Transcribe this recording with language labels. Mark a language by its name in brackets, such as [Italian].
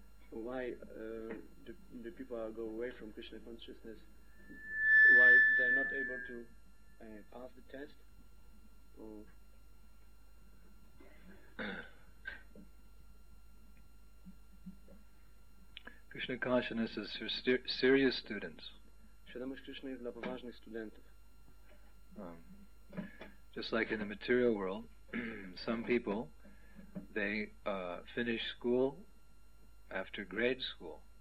[English] Why the people are go away from Krishna consciousness? Why they are not able to pass the test? Or Krishna consciousness is for serious students. [Polish] Świadomość Krishna jest dla poważnych studentów. [English] Just like in the material world, some people they finish school after grade school.